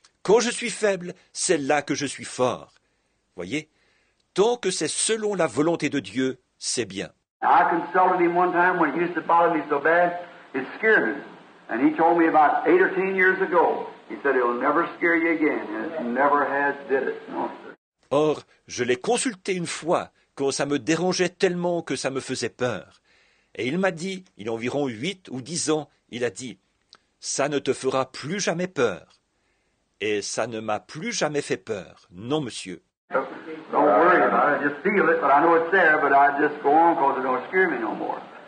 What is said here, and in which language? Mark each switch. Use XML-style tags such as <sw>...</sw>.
<fr>Quand je suis faible, c'est là que je suis fort. » Voyez, tant que c'est selon la volonté de Dieu, c'est bien.</fr> <en>I consulted him one time when it used to bother me so bad. It scared me. And he told me about 8 or 10 years ago. He said, it'll never scare you again. And it never has did it. No, sir.</en> <fr>Or, je l'ai consulté une fois quand ça me dérangeait tellement que ça me faisait peur. Et il m'a dit, il y a environ 8 ou 10 ans, il a dit, ça ne te fera plus jamais peur. Et ça ne m'a plus jamais fait peur. Non, monsieur.</fr> <en>Don't worry about it. I just feel it, but I know it's there, but I just go on because it don't scare me no more.</en>